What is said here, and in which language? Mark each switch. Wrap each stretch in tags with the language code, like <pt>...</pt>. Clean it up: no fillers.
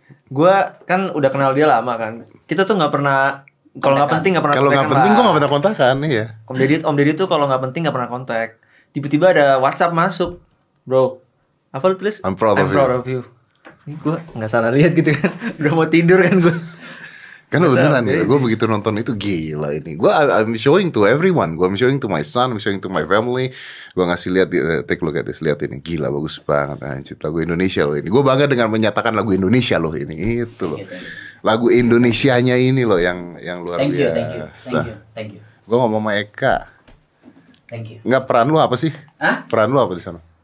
<id>Gue kan udah kenal dia lama kan. Kita tuh gak pernah, kalau gak penting gak pernah kontak. Kalau gak penting gue gak pernah kontak kan, iya. Om Deddy tuh kalau gak penting gak pernah kontak. Tiba-tiba ada WhatsApp masuk, bro. Apa lu tulis?</id> <en>I'm proud of you.</en> <id>Ini gue nggak salah lihat gitu kan? Udah mau tidur kan gue. Kan beneran ya, gue begitu nonton itu gila ini. Gue</id> <en>I'm showing to everyone. Gue I'm showing to my son, I'm showing to my family.</en> <id>Gue ngasih lihat,</id> <en>take a look at this,</en> <id>lihat ini gila bagus banget. Anjir, lagu Indonesia loh ini. Gue bangga dengan menyatakan lagu Indonesia loh ini. Itu loh. Lagu Indonesianya ini loh yang luar biasa.</id> <en>Thank you.</en> <id>Gue ngomong sama Eka.</id> <en>Thank you.</en> <id>Enggak, peran lu apa sih? Hah? Peran lu apa di sana?</id>